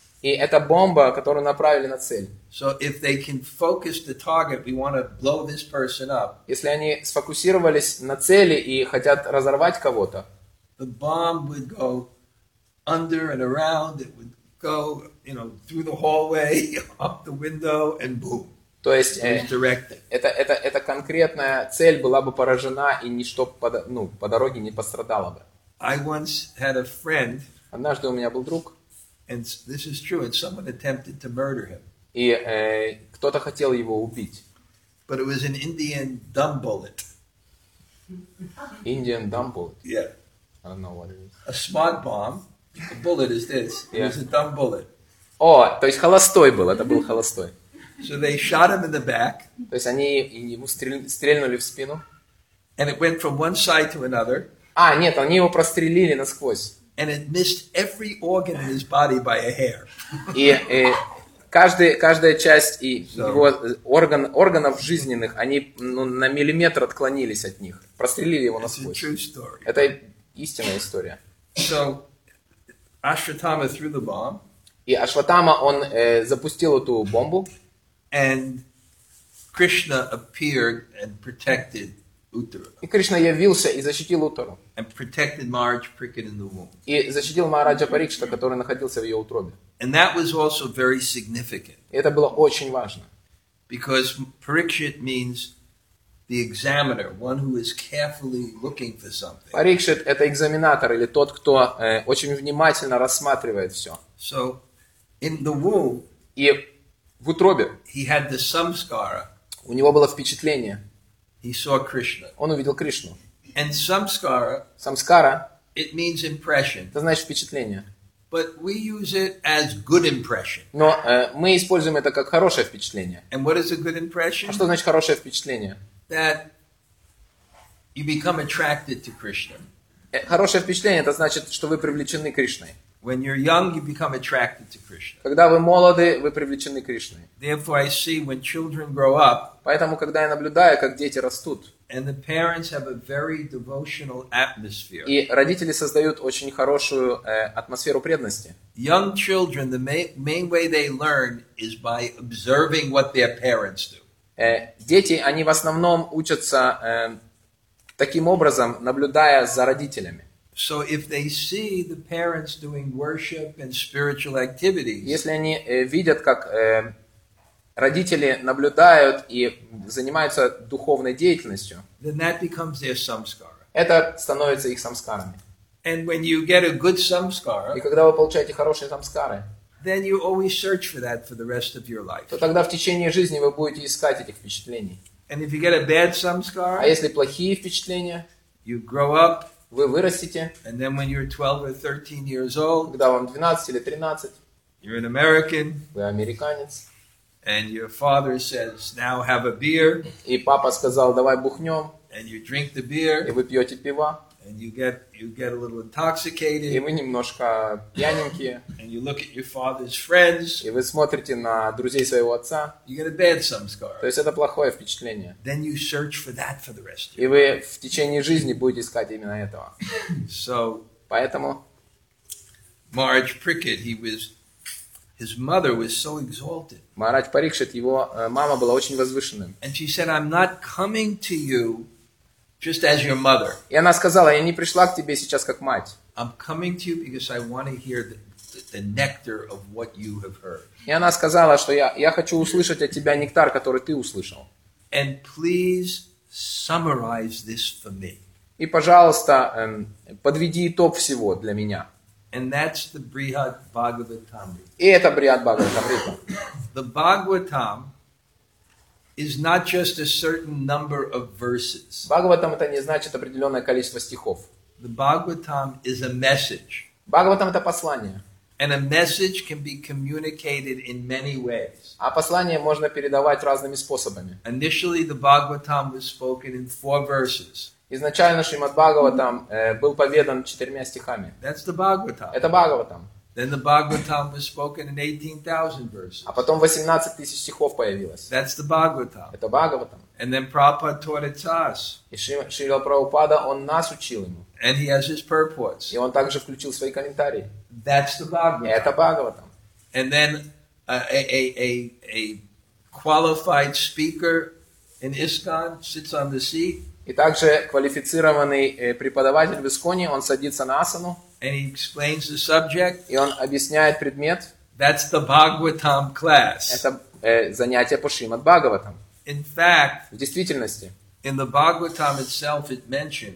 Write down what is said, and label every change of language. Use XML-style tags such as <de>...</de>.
<ru>И это бомба, которую направили на цель.</ru> <en>So if they can focus the target, we want to blow this person up.</en> <ru>Если они сфокусировались на цели и хотят разорвать кого-то.</ru> <en>The bomb would go under and around, it would go, you know, through the hallway, up the window, and boom.</en> <ru>То есть, это конкретная цель была бы поражена, и ничто по дороге не пострадало бы.</ru> <en>I once had a friend.</en> <ru>Однажды у меня был друг.</ru> <en>And this is true, and someone attempted to murder him.</en> <ru>И кто-то хотел его убить.</ru> <en>But it was an Indian dumb bullet. Indian dumb bullet? Yeah. I don't know what it is. A smart bomb. A bullet is this. Yeah. It was a dumb bullet.</en> <ru>О, то есть холостой был. Это был холостой.</ru> <en>So they shot him in the back.</en> <ru>То есть они ему стрельнули в спину.</ru> <en>And it went from one side to another.</en> <ru>А, нет, они его прострелили насквозь.</ru> <en>And it missed every organ in his body by a hair.</en> <ru>И каждая часть и его органов жизненных, они на миллиметр отклонились от них. Прострелили его насквозь.</ru> <en>It's a true story.</en> <ru>Это истинная история.</ru> <en>So Ashvatthama threw the bomb.</en> <ru>И Ашватама он запустил эту бомбу.</ru> <en>And Krishna appeared and protected Uttara.</en> <ru>И Кришна явился и защитил Уттару.</ru> <en>And protected Maharaja Parikshit in the womb.</en> <ru>И защитил Махараджа Парикшита, который находился в ее утробе.</ru> <en>And that was also very significant.</en> <ru>Это было очень важно.</ru> <en>Because Parikshit means the examiner, one who is carefully looking for something.</en> <ru>Парикшит — это экзаменатор или тот, кто очень внимательно рассматривает все.</ru> <en>So, in the womb,</en> <ru>и в утробе,</ru> <en>he had the samskara.</en> <ru>У него было впечатление.</ru> <en>He saw Krishna.</en> <ru>Он увидел Кришну.</ru> <en>And samskara,</en> <ru>samskara,</ru> <en>it means impression.</en> <ru>Это значит впечатление.</ru> <en>But we use it as good impression.</en> <ru>Но мы используем это как хорошее впечатление.</ru> <en>And what is a good impression?</en> <ru>А что значит хорошее впечатление?</ru> <en>That you become attracted to Krishna.</en> <ru>Хорошее впечатление это значит, что вы привлечены Кришной.</ru> <en>When you're young, you become attracted to Krishna.</en> <ru>Когда вы молоды, вы привлечены Кришной.</ru> <en>Therefore, I see when children grow up.</en> <ru>Поэтому, когда я наблюдаю, как дети растут.</ru> <en>And the parents have a very devotional atmosphere.</en> <ru>И родители создают очень хорошую атмосферу преданности.</ru> <en>Young children, the main way they learn is by observing what their parents do.</en> <ru>Дети, они в основном учатся таким образом, наблюдая за родителями.</ru> <en>So if they see the parents doing worship and spiritual activities,</en> <ru>если они видят, как родители наблюдают и занимаются духовной деятельностью,</ru> <en>then that becomes their samskara.</en> <ru>Это становится их самскарами.</ru> <en>And when you get a good samskara,</en> <ru>и когда вы получаете хорошие самскары,</ru> <en>then you always search for that for the rest of your life.</en> <ru>То тогда в течение жизни вы будете искать этих впечатлений.</ru> <en>And if you get a bad samskara,</en> <ru>а если плохие впечатления,</ru> <en>you grow up,</en> <ru>вы вырастете,</ru> <en>and then when you're 12 or 13 years old,</en> <ru>когда вам 12 или 13,</ru> <en>you're an American,</en> <ru>вы американец,</ru> <en>and your father says, now have a beer,</en> <ru>и папа сказал, давай бухнем,</ru> <en>and you drink the beer,</en> <ru>и вы пьете пиво.</ru> <en>And you get a little intoxicated.</en> <ru>И вы немножко пьяненькие.</ru> <en>And you look at your father's friends.</en> <ru>И вы смотрите на друзей своего отца.</ru> <en>You get a bad samskara.</en> <ru>То есть это плохое впечатление.</ru> <en>Then you search for that for the rest of your life.</en> <ru>И вы в течение жизни будете искать именно этого.</ru> <en>So,</en> <ru>поэтому</ru> <en>Maharaj Parikshit, his mother was so exalted.</en> <ru>Maharaj Parikshit, его мама была очень возвышенным.</ru> <en>And she said, I'm not coming to you just as your mother.</en> <ru>И она сказала, я не пришла к тебе сейчас как мать.</ru> <en>I'm coming to you because I want to hear the nectar of what you have heard.</en> <ru>И она сказала, что я хочу услышать от тебя нектар, который ты услышал.</ru> <en>And please summarize this for me.</en> <ru>И, пожалуйста, подведи итог всего для меня.</ru> <en>And that's the Brihad Bhagavatamrita.</en> <ru>И это Брихад Бхагаватамрита.</ru> <en>The Bhagavatam is not just a certain number of verses.</en> <ru>Бхагаватам это не значит определенное количество стихов.</ru> <en>The Bhagavatam is a message.</en> <ru>Бхагаватам это послание.</ru> <en>And a message can be communicated in many ways.</en> <ru>А послание можно передавать разными способами.</ru> <en>Initially, the Bhagavatam was spoken in four verses.</en> <ru>Изначально Шримад Бхагаватам был поведан четырьмя стихами.</ru> <en>That's the Bhagavatam.</en> <ru>Это Бхагаватам.</ru> <en>Then the Bhagavatam was spoken in 18,000 verses.</en> <ru>А потом 18,000 стихов появилось.</ru> <en>That's the Bhagavatam.</en> <ru>Это Бхагаватам.</ru> <en>And then Prabhupada taught it to us.</en> <ru>И Шрила Прабхупада, он нас учил ему.</ru> <en>And he has his purports.</en> <ru>И он также включил свои комментарии.</ru> <en>That's the Bhagavatam.</en> <ru>Это Бхагаватам.</ru> <en>And then a qualified speaker in ISKCON sits on the seat.</en> <ru>И также квалифицированный преподаватель в ИСКОНе, он садится на асану.</ru> <en>And he explains the subject.</en> <ru>И он объясняет предмет.</ru> <en>That's the Bhagavatam class.</en> <ru>Это занятие по Шримад Бхагаватам.</ru> <en>In fact,</en> <ru>в действительности,</ru> <en>in the Bhagavatam itself, it mentions.</en>